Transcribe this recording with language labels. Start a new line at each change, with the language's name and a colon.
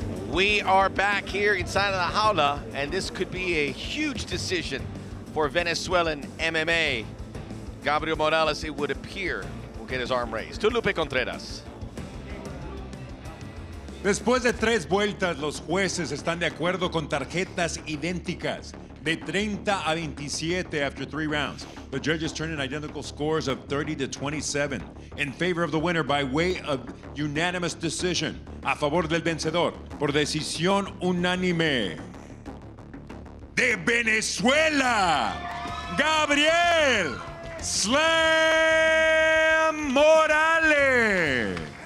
English: We are back here inside of the jaula, and this could be a huge decision for Venezuelan MMA. Gabriel Morales, it would appear, will get his arm raised. To Lupe Contreras.
Spanish: Después de tres vueltas, los jueces están de acuerdo con tarjetas idénticas de 30 a 27
English: after three rounds. The judges turn in identical scores of 30 to 27 in favor of the winner by way of unanimous decision.
Spanish: A favor del vencedor, por decisión unánime. De Venezuela, Gabriel Slam Morales.